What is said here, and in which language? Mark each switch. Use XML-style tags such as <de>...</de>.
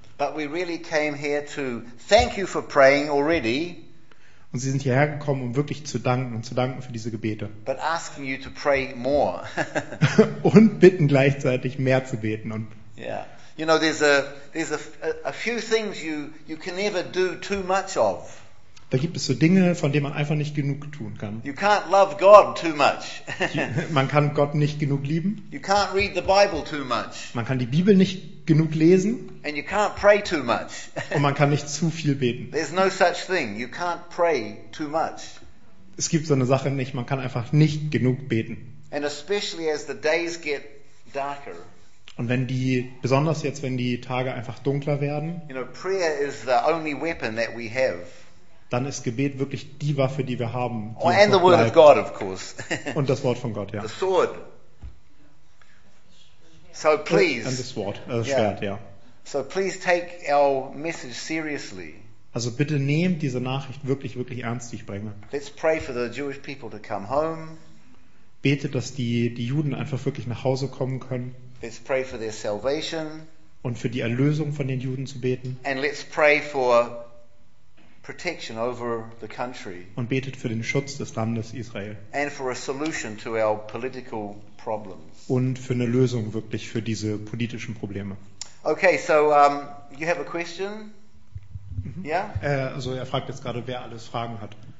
<en>But we really came here to thank you for praying already.</en> <de>Und sie sind hierher gekommen, um wirklich zu danken und zu danken für diese Gebete.</de> <en>But asking you to pray more.</en> <de>Und bitten gleichzeitig mehr zu beten und</de> <en>yeah. You know, there's a few things you can never do too much of.</en> <de>Da gibt es so Dinge, von denen man einfach nicht genug tun kann.</de> <en>You can't love God too much.</en> <de>Man kann Gott nicht genug lieben.</de> <en>You can't read the Bible too much.</en> <de>Man kann die Bibel nicht genug lesen.</de> <en>And you can't pray too much.</en> <de>Und man kann nicht zu viel beten.</de> <en>There's no such thing. You can't pray too much.</en> <de>Es gibt so eine Sache nicht. Man kann einfach nicht genug beten.</de> <en>And especially as the days get darker.</en> <de>Und wenn die, besonders jetzt, wenn die Tage einfach dunkler werden,</de> <en>you know, prayer is the only weapon that we have.</en> <de>Dann ist Gebet wirklich die Waffe, die wir haben.</de> <en>Oh, and the word of God, of course.</en> <de>Und das Wort von Gott, ja.</de> <en>The sword. So please. And the sword, also yeah.</en> <de>Schwert, ja.</de> <en>So please take our message seriously.</en> <de>Also bitte nehmt diese Nachricht wirklich, wirklich ernst, die ich bringe.</de> <en>Let's pray for the Jewish people to come home.</en> <de>Betet, dass die Juden einfach wirklich nach Hause kommen können.</de> <en>Let's pray for their salvation.</en> <de>Und für die Erlösung von den Juden zu beten.</de> <en>And let's pray for protection over the country.</en> <de>Und betet für den Schutz des Landes Israel.</de> <en>And for a solution to our political problems.</en> <de>Und für eine Lösung wirklich für diese politischen Probleme.</de> <en>Okay, so you have a question? Mhm. Yeah?</en> <de>Also er fragt jetzt gerade, wer alles Fragen hat.</de>